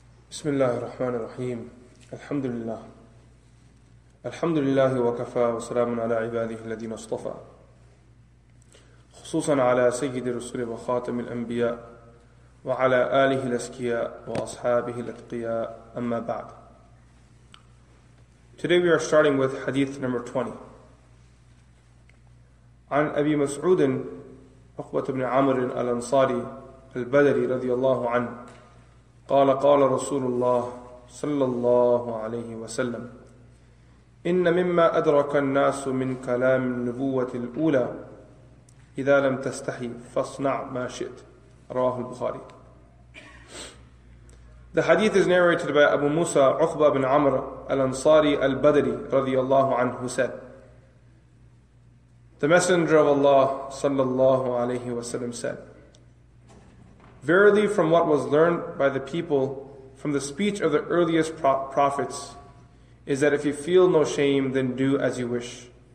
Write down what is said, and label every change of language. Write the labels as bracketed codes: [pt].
[ar] بسم الله الرحمن الرحيم الحمد لله الحمد لله وكفى وسلام على عباده الذين اصطفى خصوصا على سيد الرسل وخاتم الأنبياء وعلى آله الأسكياء وأصحابه الأتقياء أما بعد. [en] Today we are starting with hadith number 20. [ar] عن أبي مسعود عقبة بن عمرو الأنصاري البدري رضي الله عنه قال قال رسول الله صلى الله عليه وسلم إن مما أدرك الناس من كلام النبوة الأولى إذا لم تستحي فاصنع ما شئت رواه البخاري. [en] The hadith is narrated by Abu Musa Uqba bin Amr al-Ansari al-Badri رضي الله عنه said The Messenger of Allah صلى الله عليه وسلم said Verily from what was learned by the people from the speech of the earliest prophets is that if you feel no shame, then do as you wish.